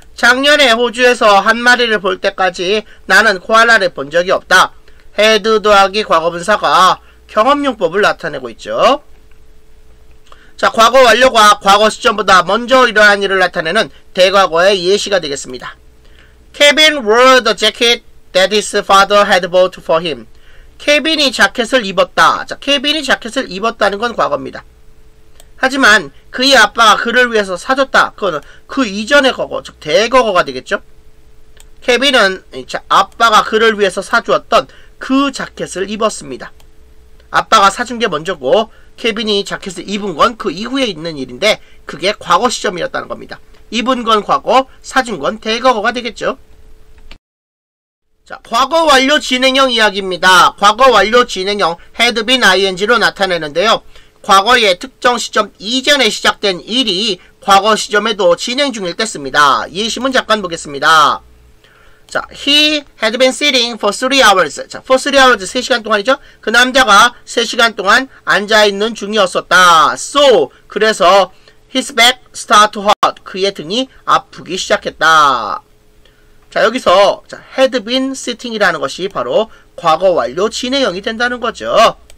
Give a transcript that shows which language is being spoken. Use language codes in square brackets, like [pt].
[ko] 작년에 호주에서 한 마리를 볼 때까지 나는 코알라를 본 적이 없다. had 더하기 과거분사가 경험용법을 나타내고 있죠. 자, 과거 완료가 과거 시점보다 먼저 일어난 일을 나타내는 대과거의 예시가 되겠습니다. [en] Kevin wore the jacket that his father had bought for him. [ko] 케빈이 자켓을 입었다. 자, 케빈이 자켓을 입었다는 건 과거입니다. 하지만 그의 아빠가 그를 위해서 사줬다. 그거는 그 이전의 과거, 즉 대과거가 되겠죠. 케빈은 아빠가 그를 위해서 사주었던 그 자켓을 입었습니다. 아빠가 사준 게 먼저고 케빈이 자켓을 입은 건 그 이후에 있는 일인데 그게 과거 시점이었다는 겁니다. 입은 건 과거, 사준 건 대과거가 되겠죠. 자, 과거 완료 진행형 이야기입니다. 과거 완료 진행형 had been ing로 나타내는데요. 과거의 특정 시점 이전에 시작된 일이 과거 시점에도 진행 중일 때 씁니다. 예시문 잠깐 보겠습니다. [en] 자, he had been sitting for 3 hours. [ko] 자, [en] for 3 hours [ko] 3시간 동안이죠. 그 남자가 3시간 동안 앉아 있는 중이었었다. [en] So, [ko] 그래서 [en] his back start to hurt. [ko] 그의 등이 아프기 시작했다. 자, 여기서 자, [en] had been sitting [ko] 이라는 것이 바로 과거 완료 진행형이 된다는 거죠.